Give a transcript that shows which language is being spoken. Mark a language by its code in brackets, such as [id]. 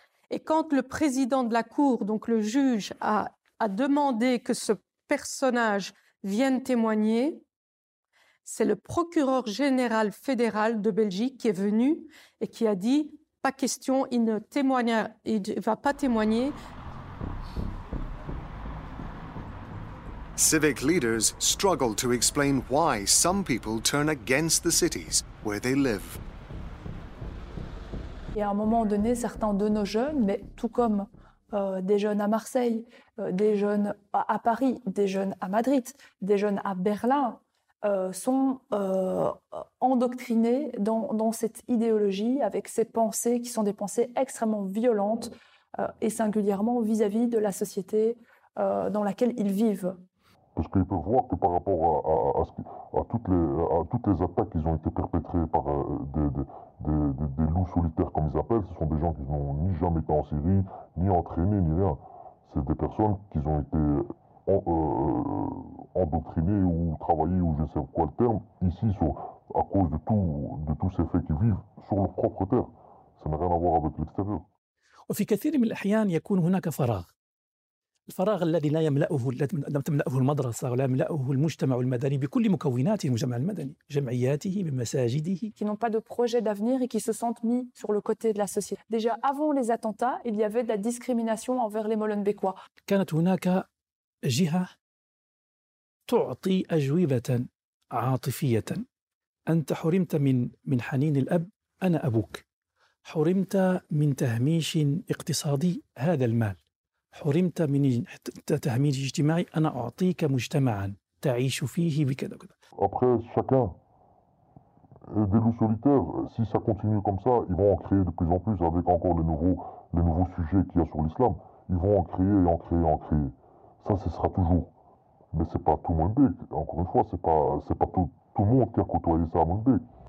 [fr] Et quand le président de la cour, donc le juge, a demandé que ce personnage vienne témoigner, c'est le procureur général fédéral de Belgique qui est venu et qui a dit « pas question, il ne va pas témoigner ». [en] Civic leaders struggle to explain why some people turn against the cities where they live. [fr] Et à un moment donné, certains de nos jeunes, mais tout comme des jeunes à Marseille, des jeunes à Paris, des jeunes à Madrid, des jeunes à Berlin, sont endoctrinés dans cette idéologie avec ces pensées qui sont des pensées extrêmement violentes et singulièrement vis-à-vis de la société dans laquelle ils vivent. Parce qu'ils peuvent voir que par rapport à toutes les attaques qui ont été perpétrées par des loups solitaires, comme ils appellent, ce sont des gens qui n'ont ni jamais été en Syrie, ni entraînés, ni rien. C'est des personnes qui ont été endoctrinées ou travaillées, ou je ne sais quoi le terme, ici, à cause de tous ces faits qu'ils vivent sur leur propre terre. Ça n'a rien à voir avec l'extérieur. Et dans beaucoup d'occasions, il y a un vide. [ar] الفراغ الذي لا يملأه لم تملأه المدرسة ولا يملأه المجتمع المدني بكل مكونات المجتمع المدني جمعياته بمساجده [fr] qui n'ont pas de projet d'avenir et qui se sentent mis sur le côté de la société. Déjà avant les attentats, il y avait de la discrimination envers les Molenbeekois. [ar] كانت هناك جهة تعطي أجوبة عاطفية. أنت حرمت من حنين الأب، أنا أبوك. حرمت من تهميش اقتصادي، هذا المال. حرمت من تهميش اجتماعي، أنا أعطيك مجتمعا تعيش فيه بكذا وكذا. [fr] Après chacun des loups solitaires, si ça continue comme ça, ils vont en créer de plus en plus avec encore les nouveaux sujets qu'il y a sur l'islam. Ils vont en créer et en créer et en créer. Ça, ce sera toujours. Mais c'est pas tout Molenbeek. Encore une fois, c'est pas tout le monde qui a côtoyé ça à Molenbeek.